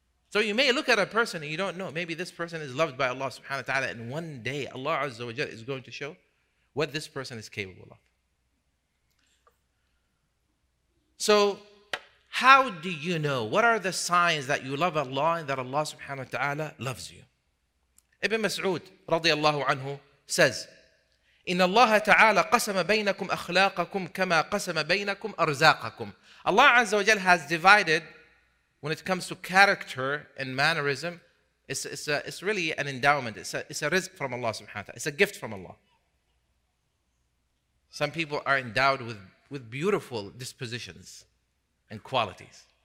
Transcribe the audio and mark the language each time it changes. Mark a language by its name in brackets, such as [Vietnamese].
[English] So you may look at a person and you don't know. Maybe this person is loved by Allah subhanahu wa ta'ala, and one day Allah azza wa jal is going to show what this person is capable of. So how do you know? What are the signs that you love Allah and that Allah subhanahu wa ta'ala loves you? [Arabic] Ibn Mas'ud radiallahu anhu says, إن الله تعالى قسم بينكم أخلاقكم كما قسم بينكم أرزاقكم. [English] Allah Azza wa Jal has divided, when it comes to character and mannerism, it's really an endowment. It's a rizq from Allah subhanahu wa ta'ala. It's a gift from Allah. Some people are endowed with beautiful dispositions and qualities.